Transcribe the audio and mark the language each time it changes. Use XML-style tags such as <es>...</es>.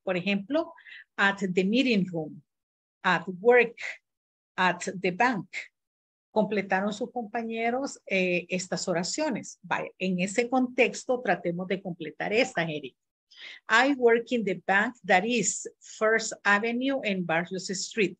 <es>Por ejemplo,</es> <en>at the meeting room, at work, at the bank.</en> <es>Completaron sus compañeros estas oraciones. Vaya, en ese contexto tratemos de completar esta, Eric.</es> <en>I work in the bank that is First Avenue and Barrios Street.</en>